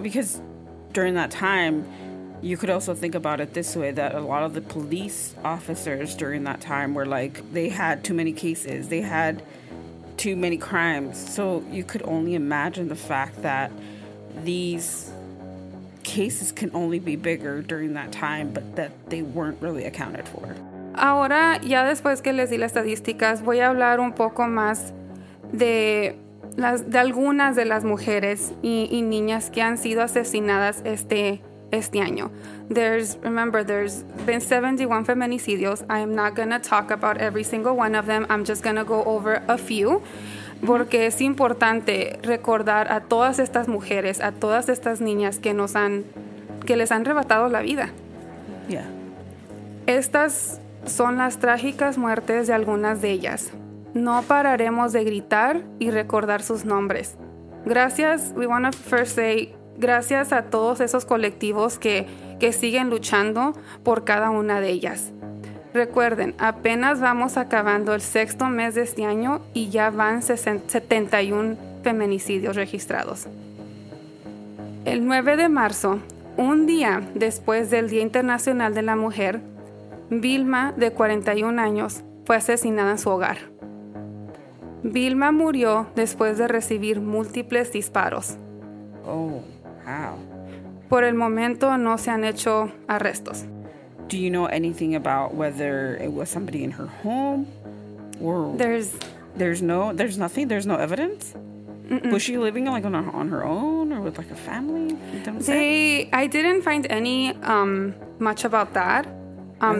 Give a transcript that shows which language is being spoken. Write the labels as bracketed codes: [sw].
[en] Because during that time, you could also think about it this way, that a lot of the police officers during that time were, like, they had too many cases. They had too many crimes. So you could only imagine the fact that these cases can only be bigger during that time, but that they weren't really accounted for. [es] Ahora, ya después que les di las estadísticas, voy a hablar un poco más de algunas de las mujeres y niñas que han sido asesinadas este año. [en] There's been 71 feminicidios. I am not going to talk about every single one of them. I'm just going to go over a few. [es] Porque es importante recordar a todas estas mujeres, a todas estas niñas que les han arrebatado la vida. [en] Yeah. [es] Estas son las trágicas muertes de algunas de ellas. No pararemos de gritar y recordar sus nombres. Gracias, [en] we want to first say, [es] gracias a todos esos colectivos que siguen luchando por cada una de ellas. Recuerden, apenas vamos acabando el sexto mes de este año y ya van 71 feminicidios registrados. El 9 de marzo, un día después del Día Internacional de la Mujer, Vilma, de 41 años, fue asesinada en su hogar. Vilma murió después de recibir múltiples disparos. [en] Oh, wow. [es] Por el momento no se han hecho arrestos. [en] Do you know anything about whether it was somebody in her home? Or There's nothing? There's no evidence? Mm-mm. Was she living like on her own or with like a family? I didn't find any much about that. Okay.